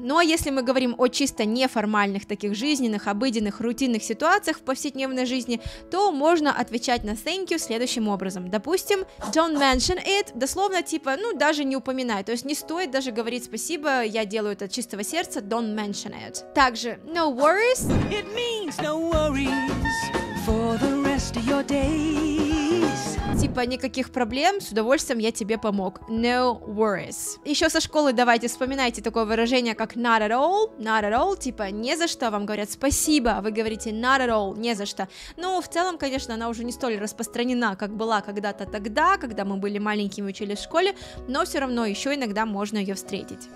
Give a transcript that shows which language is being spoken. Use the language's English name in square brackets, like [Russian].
[Russian] Ну а если мы говорим о чисто неформальных таких жизненных, обыденных, рутинных ситуациях в повседневной жизни, то можно отвечать на thank you следующим образом, допустим, don't mention it, дословно типа, ну даже не упоминай, то есть не стоит даже говорить спасибо, я делаю это от чистого сердца, don't mention it. [English] Также, no worries. It means no worries for the rest of your days. [Russian] Типа никаких проблем, с удовольствием я тебе помог. [English] No worries. [Russian] Еще со школы давайте вспоминайте такое выражение, как not at all. Not at all, типа не за что, вам говорят спасибо, вы говорите not at all, не за что. Ну, в целом, конечно, она уже не столь распространена, как была когда-то тогда, когда мы были маленькими, учились в школе, но все равно еще иногда можно ее встретить.